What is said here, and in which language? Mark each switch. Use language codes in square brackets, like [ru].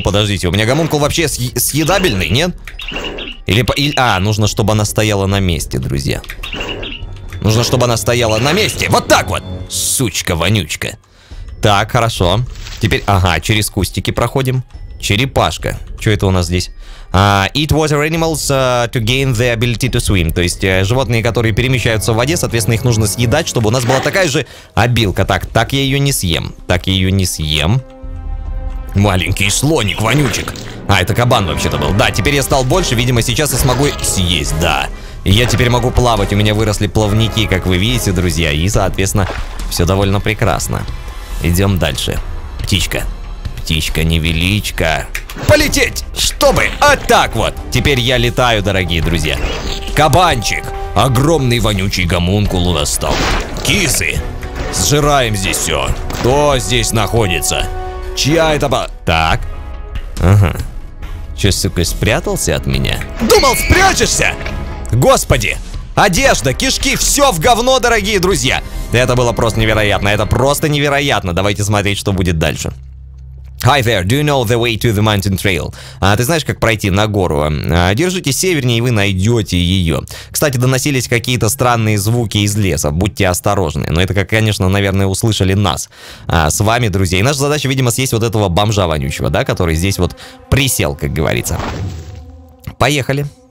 [ru] Подождите, у меня Гомункул вообще съедабельный, нет? А, нужно, чтобы она стояла на месте, друзья. Нужно, чтобы она стояла на месте! Вот так вот! Сучка вонючка! Так, хорошо. Теперь, ага, через кустики проходим. Черепашка. Что это у нас здесь? [en] Eat water animals to gain the ability to swim. [ru] То есть, животные, которые перемещаются в воде, соответственно, их нужно съедать, чтобы у нас была такая же обилка. Так, так я ее не съем. Так я ее не съем. Маленький слоник, вонючек. А, это кабан вообще-то был. Да, теперь я стал больше, видимо, сейчас я смогу съесть, да. Я теперь могу плавать, у меня выросли плавники, как вы видите, друзья. И, соответственно, все довольно прекрасно. Идем дальше. Птичка. Птичка-невеличка. Полететь! Чтобы! А так вот! Теперь я летаю, дорогие друзья. Кабанчик! Огромный вонючий Гомункул у нас стал. Кисы! Сжираем здесь все. Кто здесь находится? Чья это ба... Так. Ага. Че, сука, спрятался от меня? Думал, спрячешься! Господи! Одежда, кишки, все в говно, дорогие друзья. Это было просто невероятно, это просто невероятно. Давайте смотреть, что будет дальше. [en] Hi there, do you know the way to the mountain trail? [ru] Ты знаешь, как пройти на гору? Держите севернее, и вы найдете ее. Кстати, доносились какие-то странные звуки из леса. Будьте осторожны. Но это, как, конечно, наверное, услышали нас с вами, друзья. И наша задача, видимо, съесть вот этого бомжа вонючего, да, который здесь вот присел, как говорится. Поехали.